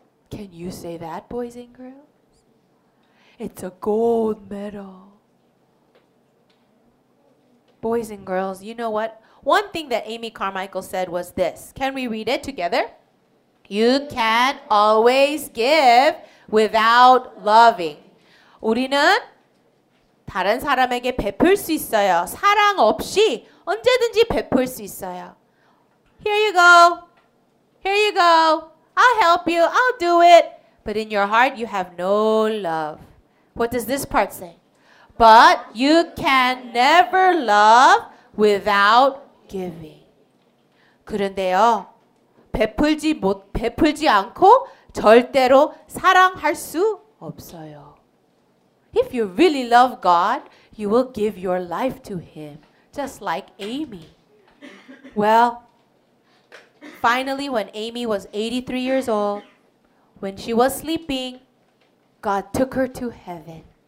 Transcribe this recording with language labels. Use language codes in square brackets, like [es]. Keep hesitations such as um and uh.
[en] Can you say that, boys and girls? It's a gold medal. Boys and girls, you know what? One thing that Amy Carmichael said was this. Can we read it together? You can always give without loving. [ko] 우리는 다른 사람에게 베풀 수 있어요. 사랑 없이 언제든지 베풀 수 있어요. [en] Here you go. Here you go. I'll help you. I'll do it. But in your heart, you have no love. What does this part say? But you can never love without giving. [ko] 그런데요, 베풀지 못, 베풀지 않고 절대로 사랑할 수 없어요. [en] If you really love God, you will give your life to Him, just like Amy. Well, Finally, when Amy was 83 years old, when she was sleeping, God took her to heaven.